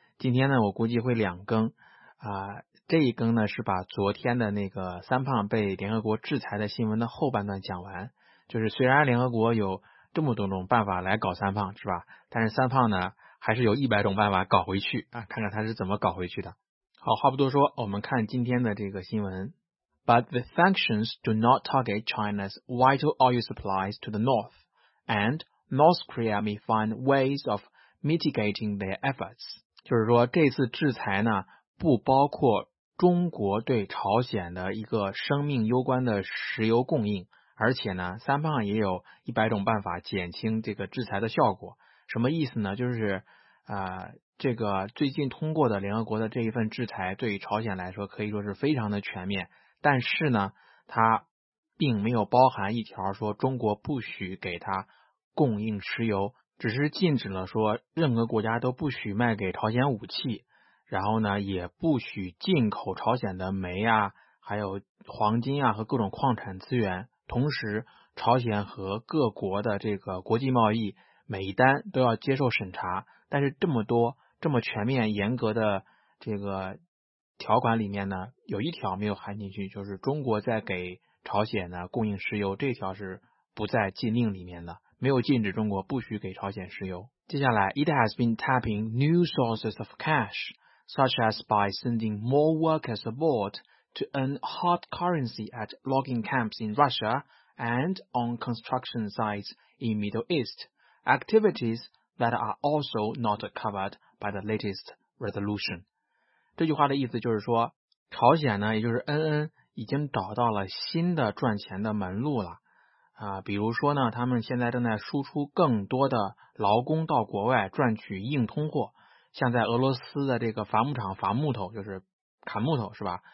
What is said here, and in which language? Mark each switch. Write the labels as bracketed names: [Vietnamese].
[Chinese] 今天呢，我估计会两更啊、这一更呢是把昨天的那个三胖被联合国制裁的新闻的后半段讲完。就是虽然联合国有这么多种办法来搞三胖，是吧？但是三胖呢，还是有100种办法搞回去啊，看看他是怎么搞回去的。好，话不多说，我们看今天的这个新闻。 [English] But the sanctions do not target China's vital oil supplies to the north, and North Korea may find ways of mitigating their efforts. [Chinese] 就是说这次制裁呢，不包括中国对朝鲜的一个生命攸关的石油供应，而且呢，三胖也有100种办法减轻这个制裁的效果。什么意思呢？就是这个最近通过的联合国的这一份制裁，对于朝鲜来说可以说是非常的全面。但是呢，它并没有包含一条说中国不许给他供应石油，只是禁止了说任何国家都不许卖给朝鲜武器，然后呢，也不许进口朝鲜的煤啊，还有黄金啊和各种矿产资源。同时，朝鲜和各国的这个国际贸易每一单都要接受审查，但是这么多这么全面严格的这个条款里面呢，有一条没有含进去，就是中国在给朝鲜呢供应石油，这条是不在禁令里面的，没有禁止中国不许给朝鲜石油。接下来 [English] ，It has been tapping new sources of cash, such as by sending more workers aboard to earn hard currency at logging camps in Russia and on construction sites in Middle East, activities that are also not covered by the latest resolution. [Chinese] 这句话的意思就是说，朝鲜呢，也就是恩恩已经找到了新的赚钱的门路了啊、比如说呢，他们现在正在输出更多的劳工到国外赚取硬通货，像在俄罗斯的这个伐木厂伐木头，就是砍木头，是吧？